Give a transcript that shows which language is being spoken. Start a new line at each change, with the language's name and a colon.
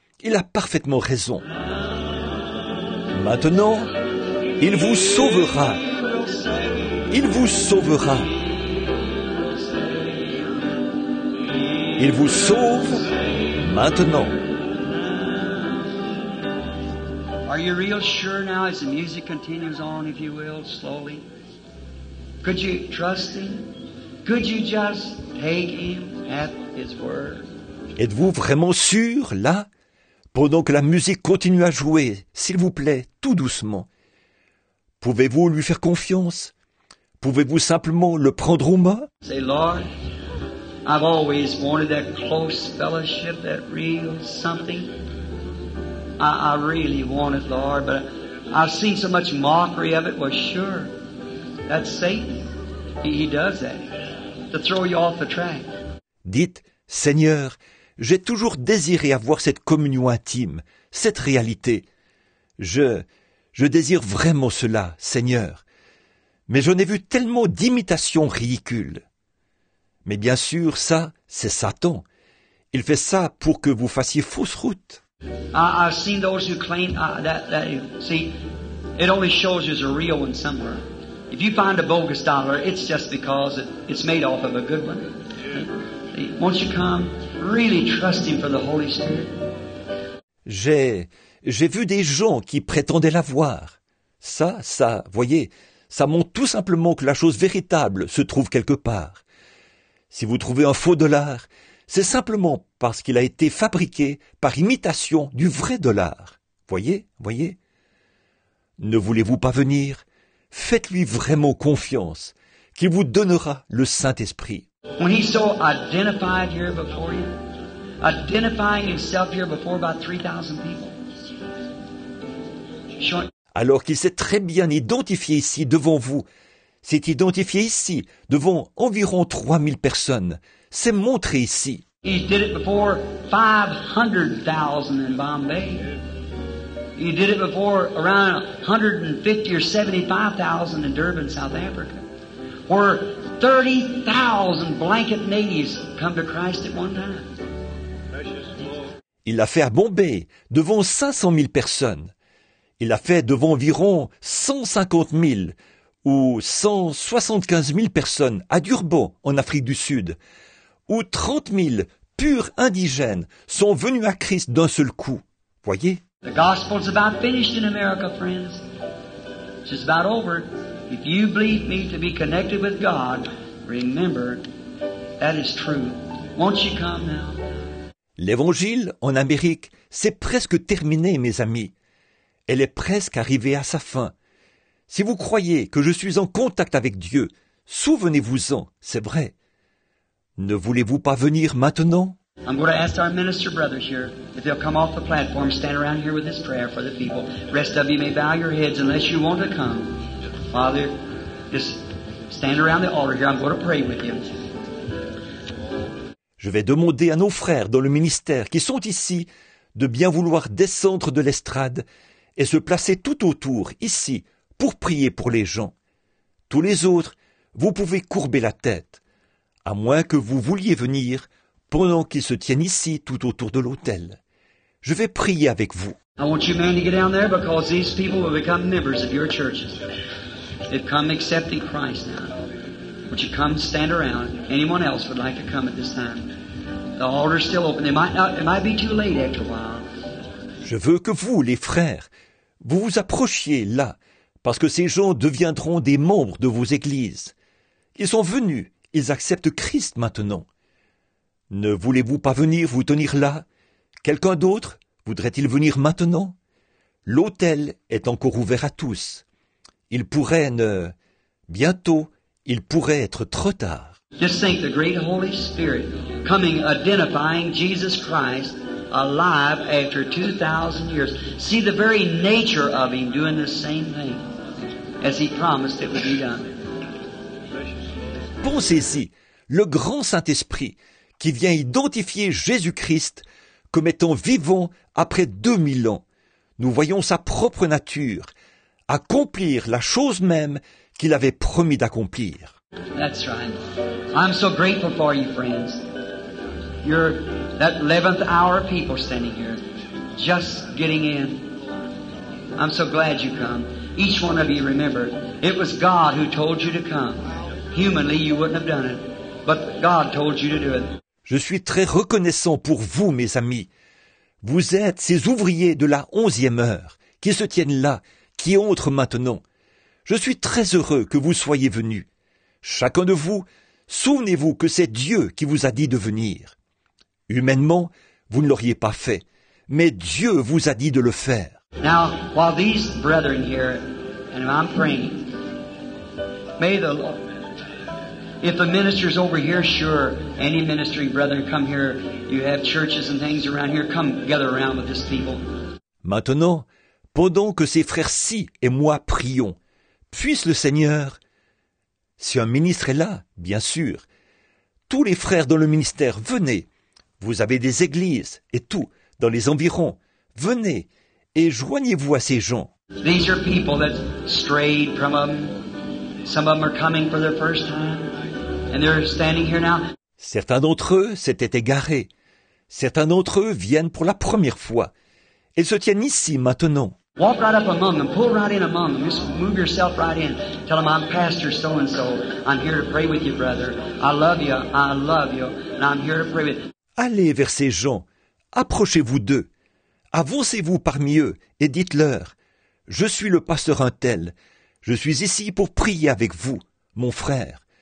French: Il a parfaitement raison. Maintenant, il vous sauvera. Il vous sauvera. Il vous sauve maintenant.
English: Are you real sure now as the music continues on, if you will, slowly? Could you trust him? Could you just take him at his word?
French: Êtes-vous vraiment sûr, là? Pendant que la musique continue à jouer, s'il vous plaît, tout doucement. Pouvez-vous lui faire confiance? Pouvez-vous simplement le prendre aux mains?
English: Say, Lord, I've always wanted that close fellowship, that real something. I really want it, Lord, but I've seen so much mockery of it. Well, sure, that's Satan. He does that to throw you off the track.
French: Dites, Seigneur, j'ai toujours désiré avoir cette communion intime, cette réalité. Je désire vraiment cela, Seigneur. Mais j'en ai vu tellement d'imitations ridicules. Mais bien sûr, ça, c'est Satan. Il fait ça pour que vous fassiez fausse route.
English: I've seen those who claim that see, it only shows there's a real one somewhere. If you find a bogus dollar, it's just because it's made off of a good one. See, won't you come? Really trust him for the Holy Spirit.
French: J'ai vu des gens qui prétendaient la voir. Ça, voyez, ça montre tout simplement que la chose véritable se trouve quelque part. Si vous trouvez un faux dollar, c'est simplement parce qu'il a été fabriqué par imitation du vrai dollar. Voyez. Ne voulez-vous pas venir? Faites-lui vraiment confiance, qu'il vous donnera le Saint-Esprit.
English: When he's so identified here before you, identifying himself here before about 3,000 people.
French: Alors qu'il s'est très bien identifié ici devant vous, s'est identifié ici devant environ 3,000 personnes, s'est montré ici.
English: He did it before 500,000 in Bombay. He did it before around 150 or 75,000 in Durban, South Africa. Where 30,000 blanket natives come to Christ at one time.
French: Il l'a fait à Bombay, devant 500 000 personnes. Il l'a fait devant environ 150 000 ou 175 000 personnes à Durban, en Afrique du Sud, où 30 000 purs indigènes sont venus à Christ d'un seul coup. Voyez?
English: The gospel's about finished in America, friends. It's just about over. If you believe me to be connected with God, remember, that is true. Won't you come now?
French: L'Évangile en Amérique, c'est presque terminé, mes amis. Elle est presque arrivée à sa fin. Si vous croyez que je suis en contact avec Dieu, souvenez-vous-en, c'est vrai. Ne voulez-vous pas venir maintenant?
English: I'm going to ask our minister brothers here if they'll come off the platform, stand around here with this prayer for the people. The rest of you may bow your heads unless you want to come. Father, just stand around the altar here. I'm going to pray with you.
French: Je vais demander à nos frères dans le ministère qui sont ici de bien vouloir descendre de l'estrade et se placer tout autour, ici, pour prier pour les gens. Tous les autres, vous pouvez courber la tête, à moins que vous vouliez venir pendant qu'ils se tiennent ici tout autour de l'autel. Je vais prier avec vous.
English: I want you men to get down there because these people will become members of your churches. They've come accepting Christ now. Would you come stand around? Anyone else would like to come at this time? The altar's still open. It might be too late after a while.
French: Je veux que vous, les frères, vous vous approchiez là, parce que ces gens deviendront des membres de vos églises. Ils sont venus, ils acceptent Christ maintenant. Ne voulez-vous pas venir vous tenir là? Quelqu'un d'autre voudrait-il venir maintenant? L'autel est encore ouvert à tous. Il pourrait ne... Bientôt, il pourrait être trop tard.
English: Just think the great Holy Spirit coming identifying Jesus Christ alive after 2,000 years. See the very nature of him doing the same thing as he promised it would be done.
French: Pensez-y, le grand Saint-Esprit qui vient identifier Jésus-Christ comme étant vivant après 2,000 ans. Nous voyons sa propre nature accomplir la chose même qu'il avait promis d'accomplir.
English: That's right. I'm so grateful for you, friends. You're that 11th hour people standing here, just getting in. I'm so glad you come. Each one of you remember, it was God who told you to come. Humanly, you wouldn't have done it, but God told you to do it.
French: Je suis très reconnaissant pour vous, mes amis. Vous êtes ces ouvriers de la 11e heure qui se tiennent là, qui entrent maintenant. Je suis très heureux que vous soyez venus. Chacun de vous, souvenez-vous que c'est Dieu qui vous a dit de venir. Humainement, vous ne l'auriez pas fait, mais Dieu vous a dit de le faire.
English: Now, while these brethren here, and I'm praying, may the Lord, if a minister's over here, sure, any ministering brethren come here, you have churches and things around here, come gather around with this people.
French: Maintenant, pendant que ces frères-ci et moi prions, puisse le Seigneur, si un ministre est là, bien sûr, tous les frères dans le ministère, venez, vous avez des églises et tout, dans les environs, venez et joignez-vous à ces gens.
English: These are people that strayed from them. Some of them are coming for their first time, and they're standing here now.
French: Certains d'entre eux s'étaient égarés. Certains d'entre eux viennent pour la première fois. Ils se tiennent ici maintenant.
English: Walk right up among them. Pull right in among them. Just move yourself right in. Tell them, I'm Pastor so-and-so. I'm here to pray with you, brother. I love you. And I'm here to pray with you.
French: Allez vers ces gens. Approchez-vous d'eux. avancez-vous parmi eux et dites-leur, « Je suis le pasteur un tel, je suis ici pour prier avec vous, mon frère.